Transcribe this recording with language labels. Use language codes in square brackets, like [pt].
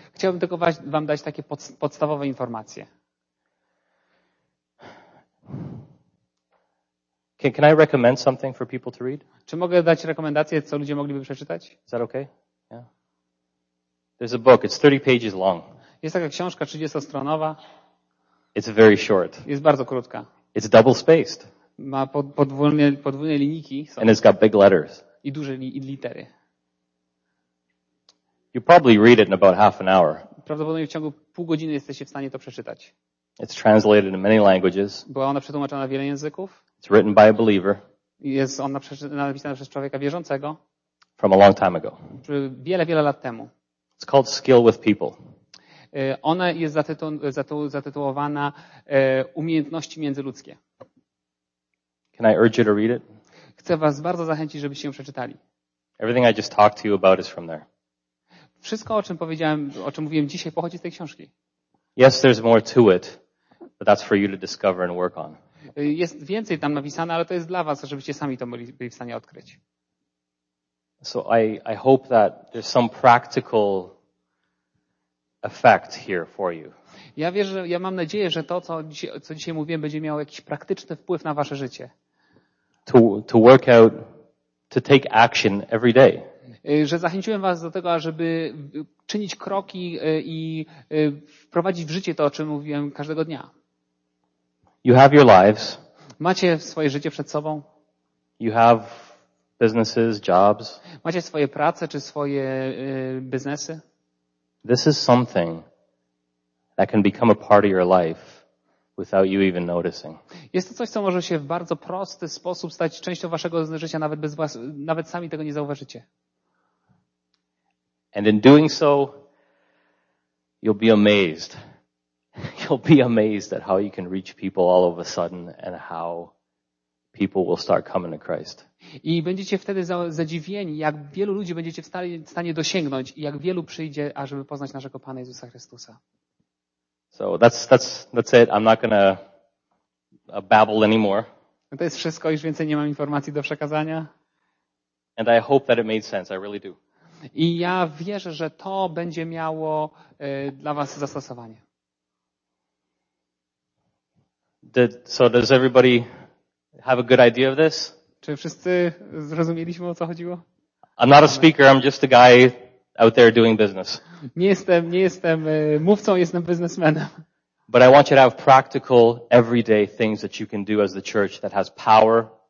[pl] Chciałbym tylko wam dać takie podstawowe informacje. [en] Can I recommend something for people to read? [pl] Czy mogę dać rekomendację, co ludzie mogliby przeczytać? [en] Is that okay? Yeah. There's a book. It's 30 pages long. [pl] Jest taka książka 30-stronowa. [en] It's very short. [pl] Jest bardzo krótka. [en] It's double spaced. [pl] Ma podwójne linijki. [en] And it's got big letters. [pl] I duże litery. [en] You probably read it in about half an hour. [pl] Prawdopodobnie w ciągu pół godziny jesteście w stanie to przeczytać. [en] It's translated in many languages. [pl] Była ona przetłumaczona na wiele języków. [en] It's written by a believer. [pl] Jest ona napisana przez człowieka wierzącego. [en] From a long time ago. [pl] Wiele, wiele lat temu. [en] It's called Skill with People. [pl] Ona jest zatytułowana Umiejętności międzyludzkie. [en] Can I urge you to read it? [pl] Chcę was bardzo zachęcić, żebyście ją przeczytali. [en] Everything I just talked to you about is from there. [pl] Wszystko, o czym powiedziałem, o czym mówiłem dzisiaj, pochodzi z tej książki. [en] Yes, there's more to it, but that's for you to discover and work on. [pl] Jest więcej tam napisane, ale to jest dla was, żebyście sami to byli w stanie odkryć. [en] So I hope that there's some practical effect here for you. [pl] Ja wierzę, ja mam nadzieję, że to, co dzisiaj mówiłem, będzie miało jakiś praktyczny wpływ na wasze życie. [en] To work out, to take action every day. [pl] Że zachęciłem was do tego, ażeby czynić kroki i wprowadzić w życie to, o czym mówiłem każdego dnia. [en] You have your lives. [pl] Macie swoje życie przed sobą. [en] You have businesses, jobs. [pl] Macie swoje prace czy swoje biznesy. [en] This is something that can become a part of your life without you even noticing. [pl] Jest to coś, co może się w bardzo prosty sposób stać częścią waszego życia, nawet sami tego nie zauważycie. [en] And in doing so, you'll be amazed. You'll be amazed at how you can reach people all of a sudden and how people will start coming to Christ. [pl] I będziecie wtedy zadziwieni, jak wielu ludzi będziecie w stanie dosięgnąć i jak wielu przyjdzie, ażeby poznać naszego Pana Jezusa Chrystusa. [en] So that's it. I'm not gonna babble anymore. [pl] To jest wszystko. Już więcej nie mam informacji do przekazania. [en] And I hope that it made sense. I really do. [pl] I ja wierzę, że to będzie miało dla was zastosowanie. [en] So does everybody have a good idea of this? [pl] Czy wszyscy zrozumieliśmy, o co chodziło? [en] I'm not a speaker, I'm just a guy out there doing business. [pl] Nie jestem mówcą, jestem biznesmenem. [en] But I want you to have practical, everyday things that you can do as the church that has power.